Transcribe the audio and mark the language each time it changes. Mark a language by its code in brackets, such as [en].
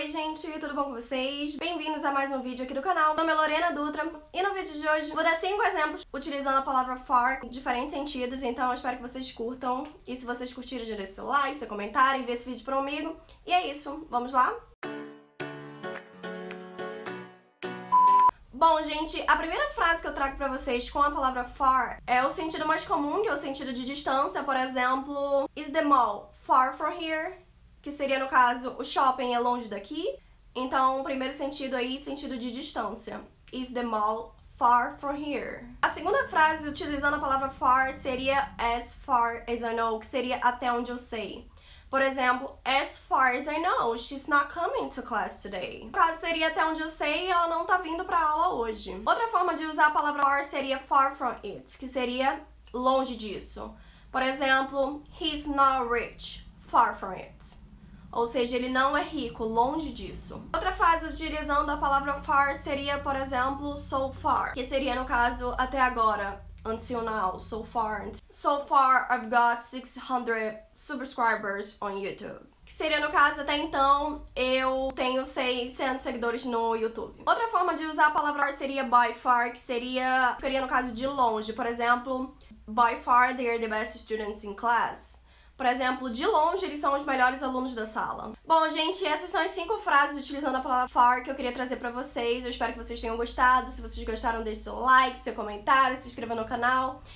[pt] gente, tudo bom com vocês? Bem-vindos a mais um vídeo aqui do canal. Meu nome é Lorena Dutra e no vídeo de hoje vou dar 5 exemplos utilizando a palavra far em diferentes sentidos, então eu espero que vocês curtam. E se vocês curtirem, já deixa seu like, seu comentário, envia esse vídeo para um amigo. E é isso, vamos lá? Bom, gente, a primeira frase que eu trago pra vocês com a palavra far é o sentido mais comum, que é o sentido de distância. Por exemplo, [en] is the mall far from here? [pt] Que seria, no caso, o shopping é longe daqui. Então, o primeiro sentido aí, sentido de distância. [en] Is the mall far from here? [pt] A segunda frase, utilizando a palavra far, seria [en] as far as I know, [pt] que seria até onde eu sei. Por exemplo, [en] as far as I know, she's not coming to class today. [pt] No caso, seria até onde eu sei, ela não tá vindo pra aula hoje. Outra forma de usar a palavra far seria [en] far from it, [pt] que seria longe disso. Por exemplo, [en] he's not rich, far from it. [pt] Ou seja, ele não é rico, longe disso. Outra frase utilizando a palavra far seria, por exemplo, [en] so far, [pt] que seria, no caso, até agora, [en] until now, so far. So far, I've got 600 subscribers on YouTube. [pt] Que seria, no caso, até então, eu tenho 600 seguidores no YouTube. Outra forma de usar a palavra far seria [en] by far, [pt] que seria, ficaria, no caso, de longe. Por exemplo, [en] by far, they are the best students in class. [pt] Por exemplo, de longe, eles são os melhores alunos da sala. Bom, gente, essas são as 5 frases utilizando a palavra far que eu queria trazer pra vocês. Eu espero que vocês tenham gostado. Se vocês gostaram, deixe seu like, seu comentário, se inscreva no canal.